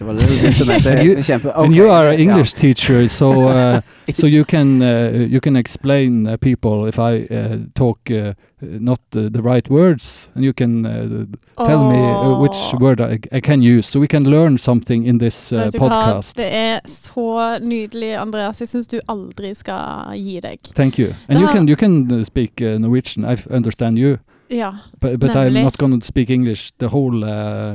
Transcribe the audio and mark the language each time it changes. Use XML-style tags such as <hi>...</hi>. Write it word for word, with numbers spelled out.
<en>you, and you are an English yeah. teacher, so uh, so you can uh, you can explain uh, people if I uh, talk uh, not uh, the right words, and you can uh, tell oh. me uh, which word I, I can use, so we can learn something in this uh, podcast.</en> <no>Det er så nydelig, Andreas. Jeg synes du aldri skal gi deg.</no> <en>Thank you. And you can you can speak uh, Norwegian. I understand you.</en> <no>Ja,</no> <en>but, but I'm not going to speak English the whole uh,</en>